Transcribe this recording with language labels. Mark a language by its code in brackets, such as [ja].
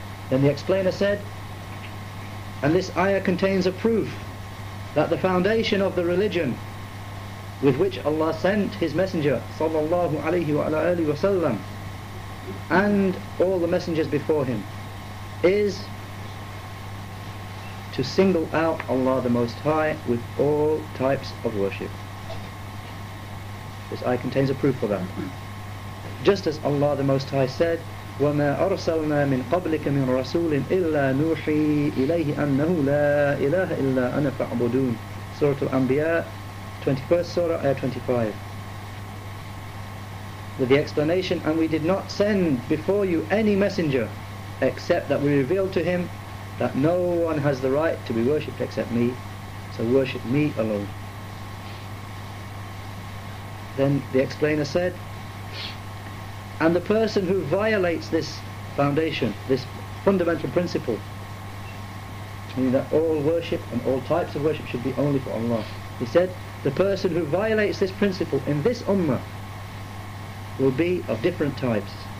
[en] Then the explainer said, and this ayah contains a proof that the foundation of the religion with which Allah sent his messenger sallallahu alayhi wa alayhi wa sallam and all the messengers before him is to single out Allah the Most High with all types of worship. This ayah contains a proof for that. Just as Allah the Most High said, [ar] وَمَا أَرْسَلْنَا مِنْ قَبْلِكَ مِنْ رَسُولٍ إِلَّا نُوحِي إِلَيْهِ أَنَّهُ لَا إِلَهَ إِلَّا أَنَا فَعْبُدُونَ [en] Surah Al-Anbiya, 21st Surah, Ayah 25. With the explanation, and we did not send before you any messenger except that we revealed to him that no one has the right to be worshipped except me, so worship me alone. Then the explainer said, and the person who violates this foundation, this fundamental principle, meaning that all worship and all types of worship should be only for Allah, he said, the person who violates this principle in this ummah will be of different types.